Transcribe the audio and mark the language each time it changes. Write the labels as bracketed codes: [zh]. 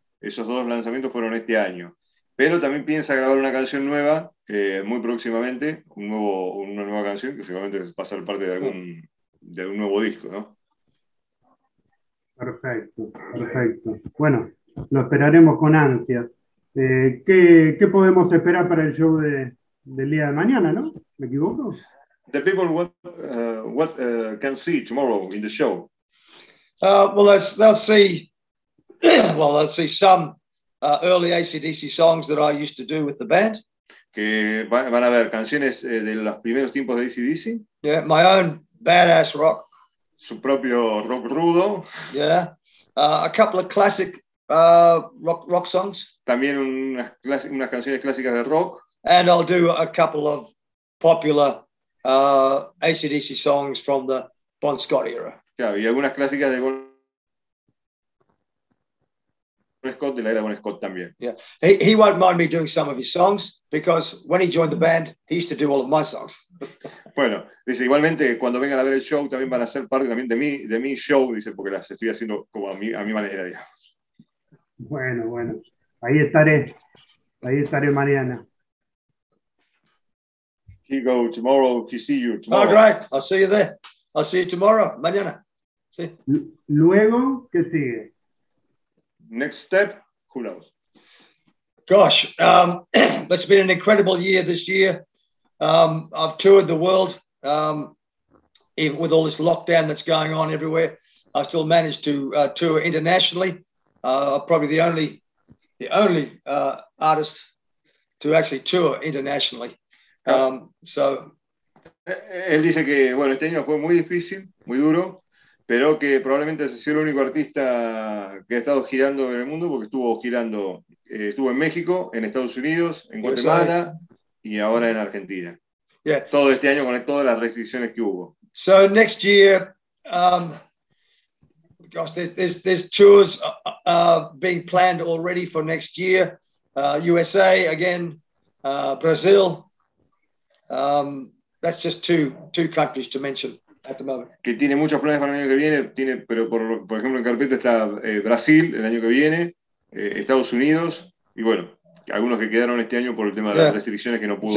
[es] Esos dos lanzamientos fueron este año. Pero también piensa grabar una canción nueva muy próximamente, una nueva canción que seguramente va a ser parte de algún nuevo disco, ¿no? Perfecto. Bueno, lo esperaremos con ansia. ¿Qué podemos esperar para el show del día de mañana, ¿no? ¿Me equivoco? [en] The people what can see tomorrow in the show? They'll see some early AC/DC songs that I used to do with the band. [es] Que van a ver canciones de los primeros tiempos de AC/DC. [en] Yeah, my own badass rock. [es] Su propio rock rudo. [en] Yeah, a couple of classic rock songs. [es] También unas canciones clásicas de rock. [en] And I'll do a couple of popular AC/DC songs from the Bon Scott era. [es] Claro, y algunas clásicas de Bon Scott, de la era Bon Scott también. [en] Yeah, he won't mind me doing some of his songs, because when he joined the band, he used to do all of my songs. [es] Bueno, dice, igualmente, cuando vengan a ver el show, también van a ser parte también de mi show, dice, porque las estoy haciendo como a mi manera, digamos. Bueno, bueno, ahí estaré mañana. [en] He go tomorrow to see you tomorrow. All right, I'll see you there. I'll see you tomorrow, [es] mañana. Sí. Luego, ¿qué sigue? [en] Next step, who knows? Gosh, it's been an incredible year this year. I've toured the world even with all this lockdown that's going on everywhere. I've still managed to tour internationally. Probably the only artist to actually tour internationally. [es] Él dice que bueno, este año fue muy difícil, muy duro, pero que probablemente ha sido el único artista que ha estado girando en el mundo, porque estuvo girando, estuvo en México, en Estados Unidos, en Guatemala y ahora en Argentina. [en] Yeah. [es] Todo este año con todas las restricciones que hubo. [en] So next year, gosh, there's tours being planned already for next year. USA again, Brazil. That's just two countries to mention at the moment. [es] Que tiene muchos planes para el año que viene. Tiene, pero por ejemplo en carpeta está Brasil el año que viene, Estados Unidos y bueno, algunos que quedaron este año por el tema de las restricciones que no pudo.